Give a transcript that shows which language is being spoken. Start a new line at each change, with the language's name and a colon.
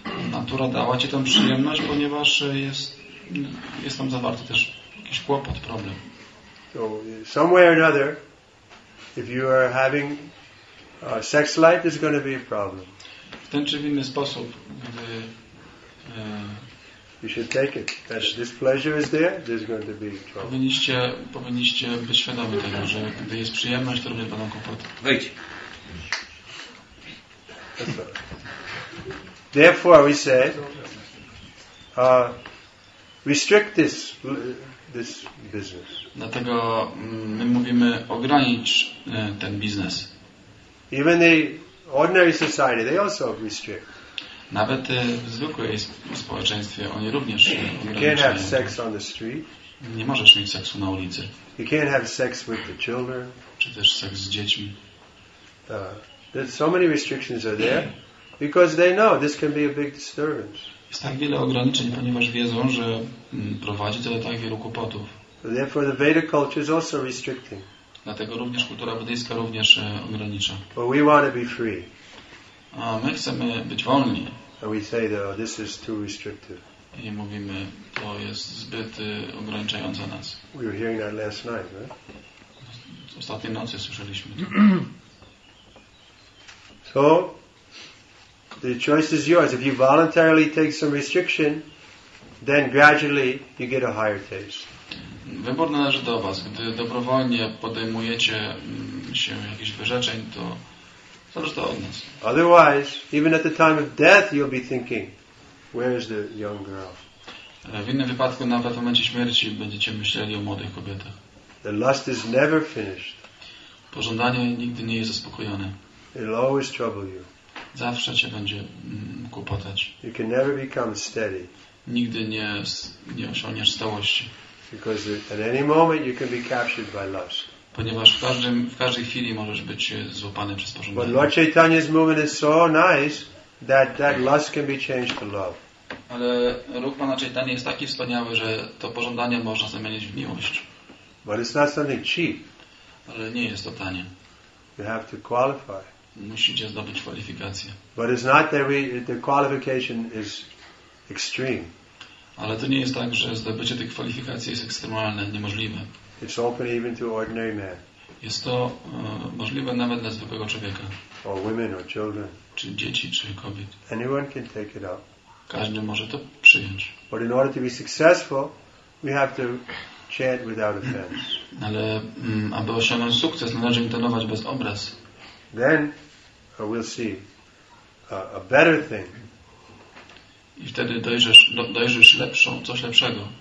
Polish: Natura dała ci tę przyjemność, ponieważ jest tam zawarty też jakiś kłopot, problem.
English: Somewhere or another, if you are having a sex life, it's going to be a problem.
Polish: W ten czy w inny sposób, gdy
English: you should take it. As this pleasure is there, there's going to be a problem.
Polish: Powinniście być świadomi tego, że gdy jest przyjemność, to również będą kłopoty. Wejdź.
English: Therefore, we say, restrict this business.
Polish: Dlatego my mówimy ogranicz ten biznes.
English: Even the ordinary society, they also restrict.
Polish: Nawet w zwykłej społeczeństwie oni również ograniczają.
English: You can't have sex on the street.
Polish: Nie możesz mieć seksu na ulicy.
English: You can't have sex with the children.
Polish: Czy też seks z dziećmi.
English: There's so many restrictions are there because they know this can be a big disturbance.
Polish: Jest tak wiele ograniczeń, ponieważ wiedzą, że prowadzi to do tak wielu kłopotów.
English: Therefore, the Vedic culture is also restricting.
Polish: Dlatego również kultura wedyjska również ogranicza.
English: But we want to be free.
Polish: A my chcemy być wolni.
English: And we say that this is too restrictive.
Polish: I mówimy, to jest zbyt ograniczające nas.
English: We were hearing that last night, right?
Polish: Ostatniej nocy słyszeliśmy.
English: So the choice is yours. If you voluntarily take some restriction, then gradually you get a higher taste.
Polish: Wybór należy do was. Gdy dobrowolnie podejmujecie się jakichś wyrzeczeń, to zależy to od nas.
English: Otherwise, even at the time of death, you'll be thinking, where is the young girl?
Polish: W innym wypadku, nawet w momencie śmierci, będziecie myśleli o młodych kobietach.
English: The lust is never finished.
Polish: Pożądanie nigdy nie jest zaspokojone.
English: It'll always trouble you.
Polish: Zawsze cię będzie kłopotać.
English: You can never become steady.
Polish: Nigdy nie osiągniesz stałości.
English: Because at any moment you can be captured by lust.
Polish: Ponieważ w każdej chwili możesz być złapany przez pożądanie.
English: But Lord Chaitanya's movement is so nice that lust can be changed to love.
Polish: Ale ruch Pana Chaitanya jest taki wspaniały, że to pożądanie można zamienić w miłość.
English: But it's not something cheap.
Polish: Ale nie jest to tanie.
English: You have to qualify.
Polish: Musicie zdobyć kwalifikacje.
English: But it's not that the qualification is extreme.
Polish: Ale to nie jest tak, że zdobycie tych kwalifikacji jest ekstremalne, niemożliwe.
English: It's open even to ordinary men.
Polish: Jest to możliwe nawet dla zwykłego człowieka.
English: Or women, or children.
Polish: Czy dzieci, czy kobiet.
English: Anyone can take it up.
Polish: Każdy może to przyjąć.
English: But in order to be successful, we have to chant without offense.
Polish: Ale aby osiągnąć sukces, należy intonować bez obraz.
English: Then we'll see a better thing.
Polish: I wtedy dojrzysz lepszą, coś lepszego.